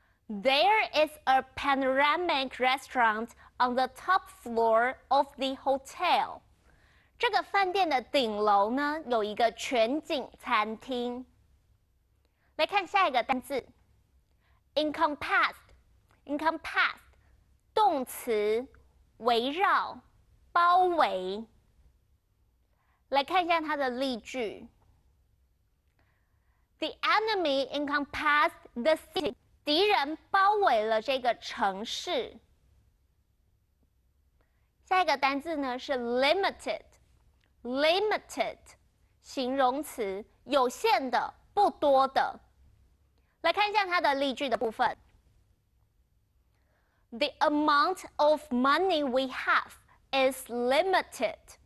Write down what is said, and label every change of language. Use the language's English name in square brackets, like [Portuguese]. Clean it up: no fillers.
[English] There is a panoramic restaurant on the top floor of the hotel. [Chinese] 这个饭店的顶楼呢，有一个全景餐厅。来看下一个单字 ，encompass。Encompass, 动词，围绕，包围。来看一下它的例句。 [English] The enemy encompassed the city. [Chinese] 敌人包围了这个城市。下一个单字呢是 limited， 形容词，有限的，不多的。来看一下它的例句的部分。 [English] The amount of money we have is limited.